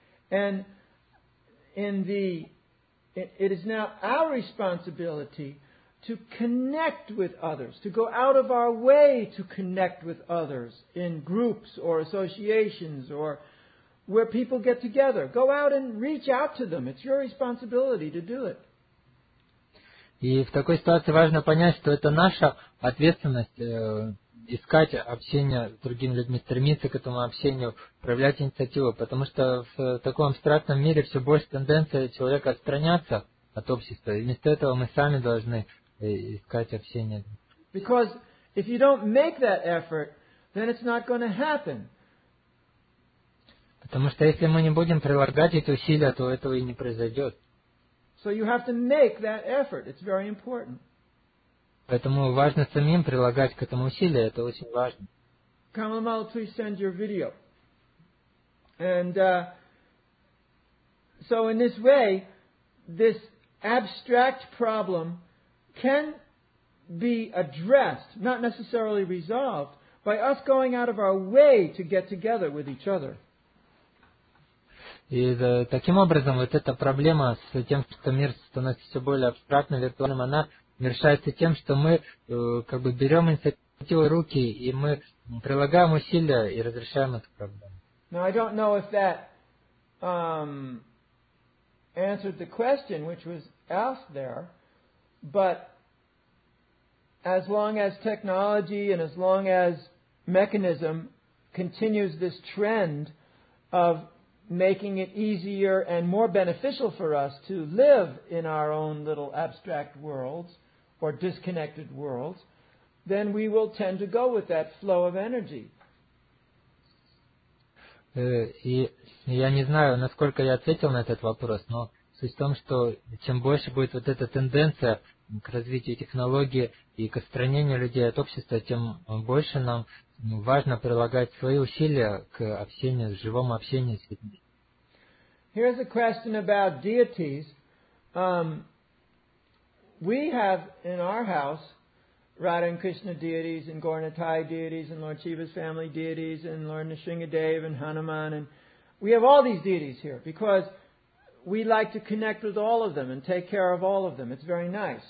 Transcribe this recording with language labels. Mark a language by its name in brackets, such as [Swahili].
[English] And it is now our responsibility to connect with others, to go out of our way to connect with others in groups or associations or where people get together. Go out and reach out to them. It's your responsibility to do it. [Russian] И в такой ситуации важно понять, что это наша ответственность искать общение с другими людьми, стремиться к этому общению, проявлять инициативу, потому что в таком абстрактном мире все больше тенденция человека отстраняться от общества. И вместо этого мы сами должны искать общение. [English] Because if you don't make that effort, then it's not going to happen. [Russian] Потому что если мы не будем прилагать эти усилия, то этого и не произойдет. [English] So you have to make that effort. It's very important. [Russian] Поэтому важно самим прилагать к этому усилия. Это очень важно. [English] Kamalamala, please send your video. And so in this way, this abstract problem can be addressed, not necessarily resolved, by us going out of our way to get together with each other. [Russian] И таким образом, вот эта проблема с тем, что мир становится все более абстрактным, виртуальным, она решается тем, что мы как бы берем инициативу в руки, и мы прилагаем усилия и разрешаем эту проблему. [English] Now, I don't know if that answered the question, which was asked there, but as long as technology and as long as mechanism continues this trend of making it easier and more beneficial for us to live in our own little abstract worlds or disconnected worlds, then we will tend to go with that flow of energy. [Russian] Я не знаю, насколько я ответил на этот вопрос, но суть в том, что чем больше будет вот эта тенденция к развитию технологии и к отстранению людей от общества, тем больше нам важно прилагать свои усилия к общению, к живому общению с людьми. [English] Here's a question about deities. We have in our house Radha and Krishna deities and Gaura Nithai deities and Lord Shiva's family deities and Lord Nrisimhadev and Hanuman, and we have all these deities here because we like to connect with all of them and take care of all of them. It's very nice.